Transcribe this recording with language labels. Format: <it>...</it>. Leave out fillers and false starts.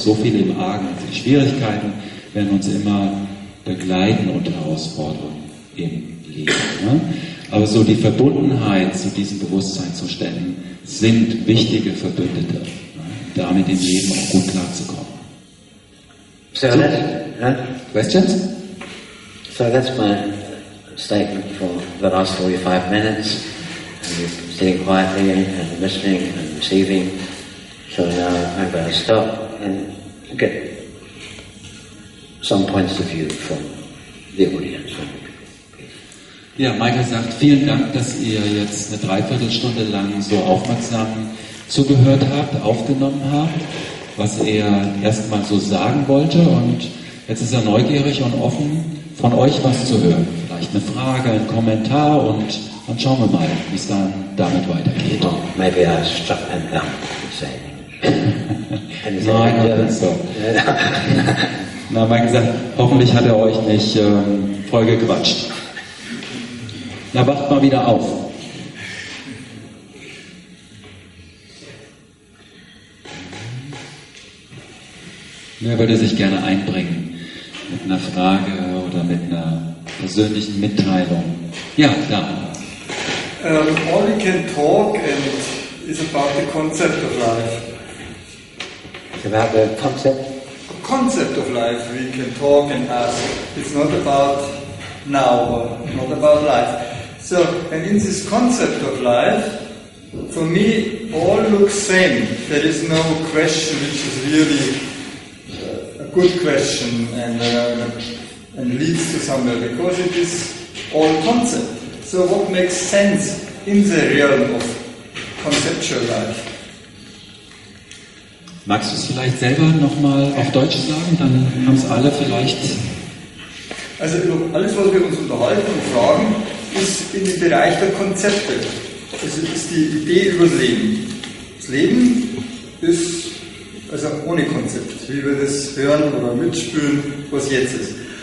<de>So viel im Argen, also die Schwierigkeiten werden uns immer begleiten und herausfordern im Leben. Aber so die Verbundenheit zu diesen Bewusstseinszuständen sind wichtige Verbündete, damit im Leben auch gut klarzukommen.</de> <en>So, questions? So that's my statement for the last 45 minutes. And you're sitting quietly and listening and receiving. So now I'm going to stop and get some points of view from the audience.</en> <de>Ja, Michael sagt, vielen Dank, dass ihr jetzt eine Dreiviertelstunde lang so aufmerksam zugehört habt, aufgenommen habt, was er erstmal so sagen wollte. Und jetzt ist er neugierig und offen, von euch was zu hören. Vielleicht eine Frage, ein Kommentar und dann schauen wir mal, wie es dann damit weitergeht.</de> <en>Well, maybe I'll stop and say English.</en> <de>Nein, hat er nicht so. Na, mein gesagt, hoffentlich hat er euch nicht vollgequatscht. Na, wacht mal wieder auf. Wer würde sich gerne einbringen mit einer Frage oder mit einer persönlichen Mitteilung? Ja, da.</de> <en>All we can talk and is about the concept of life. It's about the concept? Concept of life we can talk and ask. It's not about now, not about life. So, and in this concept of life, for me, all looks same. There is no question which is really a good question and leads to somewhere, because it is all concept. So what makes sense in the realm of conceptual life?</en> <de>Magst du es vielleicht selber nochmal auf Deutsch sagen? Dann haben es alle vielleicht... Also alles, was wir uns unterhalten und fragen, ist in den Bereich der Konzepte. Es ist die Idee über das Leben. Das Leben ist also ohne Konzept, wie wir das hören oder mitspüren, was jetzt ist.</de>